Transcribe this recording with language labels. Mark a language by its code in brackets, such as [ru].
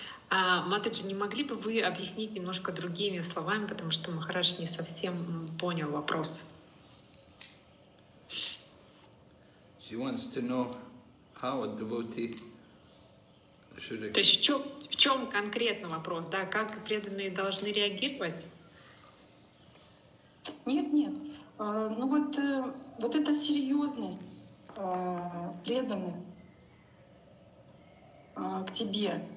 [ru] Матаджи, не могли бы вы объяснить немножко другими словами, потому что Махарадж не совсем понял вопрос. [en] She wants to know how a devotee should. [ru] То есть в чем конкретно вопрос, да? Как преданные должны реагировать? Нет, нет. Вот эта серьезность преданных к тебе.